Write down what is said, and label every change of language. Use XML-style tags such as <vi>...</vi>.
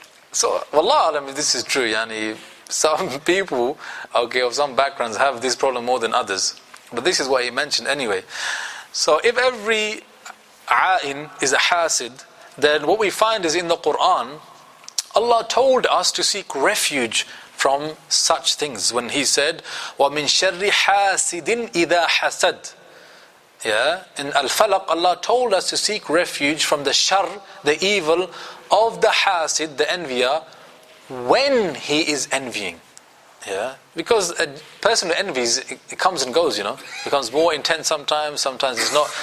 <en>So, wallah, I mean, this is true. Yani, some people, okay, of some backgrounds have this problem more than others. But this is what he mentioned anyway. So, if every a'in is a hasid, then what we find is in the Quran, Allah told us to seek refuge from such things. When He said,</en> <ar>وَمِن شَرِّ حَاسِدٍ إِذَا حَسَدٍ.</ar> <en>Yeah, in Al-Falaq, Allah told us to seek refuge from the shar, the evil of the hasid, the envier, when he is envying. Yeah, because a person who envies, it comes and goes, you know, becomes more intense sometimes it's not.</en>